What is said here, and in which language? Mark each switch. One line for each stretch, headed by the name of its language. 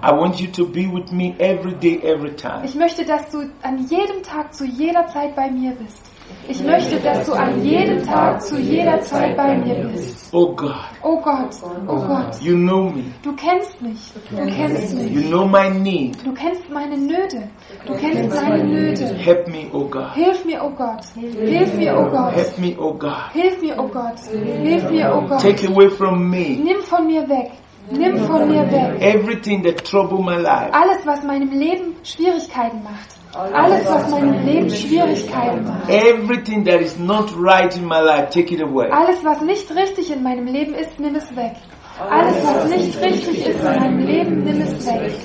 English: I want you to be with me every day, every time.
German: Ich möchte, dass du an jedem Tag zu jeder Zeit bei mir bist. Ich möchte, dass du an jedem Tag zu jeder Zeit bei mir bist. Oh Gott. Oh Gott. Oh Gott.
English: You know me.
German: Du kennst mich. Du kennst mich.
English: You know my need.
German: Du kennst meine Nöte. Du kennst meine Nöte.
English: Help me, oh God.
German: Hilf mir, oh Gott. Hilf mir, oh Gott.
English: Help me, oh God.
German: Hilf mir, oh Gott. Hilf mir, oh Gott.
English: Take away from me.
German: Nimm von mir weg. Nimm von mir weg.
English: Everything that troubles my life.
German: Alles, was meinem Leben Schwierigkeiten macht. Alles, was meinem Leben Schwierigkeiten macht.
English: Everything that is not right in my life, take it away.
German: Alles, was nicht richtig in meinem Leben ist, nimm es weg. Alles, was nicht richtig ist in meinem Leben, nimm es weg.